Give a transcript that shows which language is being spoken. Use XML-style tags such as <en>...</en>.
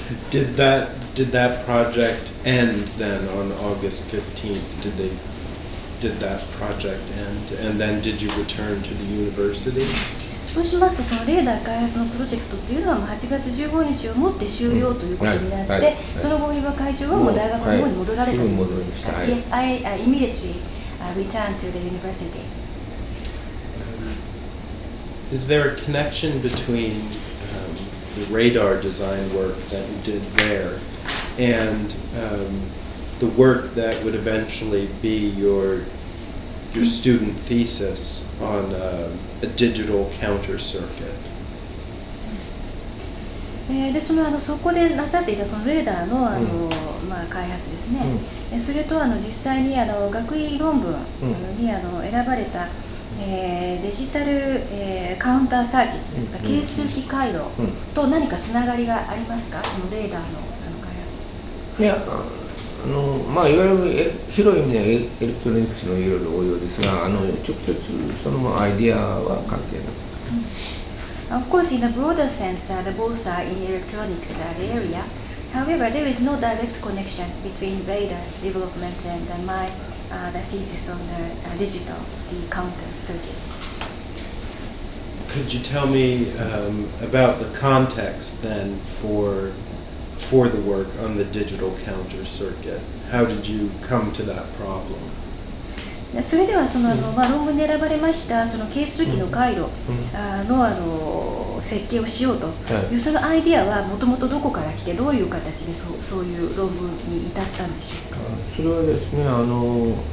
<en>Did that project end then on August 15th? Did that project end? And then did you return to the university?</en> <ja>そうしますと、そのレーダー開発のプロジェクトっていうのは8月15日をもって終了ということになって、その後、岩会長はもう大学の方に戻られたということですか。</ja> <en>Yes, I immediately returned to the university. Is there a connection between the radar design work that you did there and the work that would eventually be your student thesis on a digital counter circuit?</en> <ja>で、その、あの、そこでなさっていたそのレーダーの、あの、まあ、開発ですね。それと、あの、実際に、あの、学位論文に、あの、選ばれた、デジタル、カウンターサーキットですか、計数機回路と何かつながりがありますか、そのレーダーの。いや、あの、まあ、いわゆる広い意味ではエレクトロニクスのいろいろ応用ですが、あの、直接そのアイディアは関係ない</ja> <en>。 Of course, in a broader sense, the both are in electronics area. However, there is no direct connection between radar development and my the thesis on the digital the counter circuit. Could you tell me about the context then for the work on the digital counter circuit? How did you come to that problem?</en> <ja>それではその、まあ、論文で選ばれましたその計数機の回路の、あの、設計をしようというそのアイデアはもともとどこから来てどういう形でそういう論文に至ったんでしょうか。それはですね、あの、</ja>